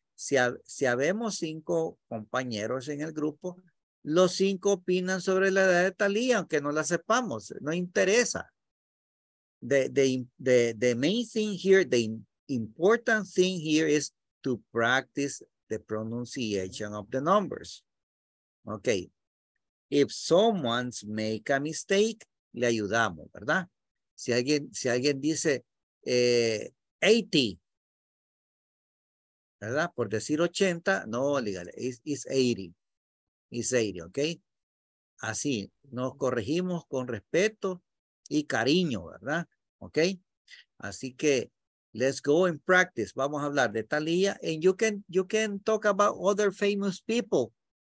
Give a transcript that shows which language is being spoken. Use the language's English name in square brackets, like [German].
[Spanish] Si habemos cinco compañeros en el grupo, los cinco opinan sobre la edad de Talía, aunque no la sepamos, no interesa. [English] The main thing here, the important thing here is to practice the pronunciation of the numbers. Okay. If someone's make a mistake, [Spanish] le ayudamos, ¿verdad? Si alguien dice 80, ¿verdad? Por decir 80, no, legal, [English] it's 80. It's 80, [Spanish] ¿ok? Así, nos corregimos con respeto y cariño, ¿verdad? [English] ¿Ok? [Spanish] Así que, [English] let's go and practice. [Spanish] Vamos a hablar de Talía. [English] And you can talk about other famous people.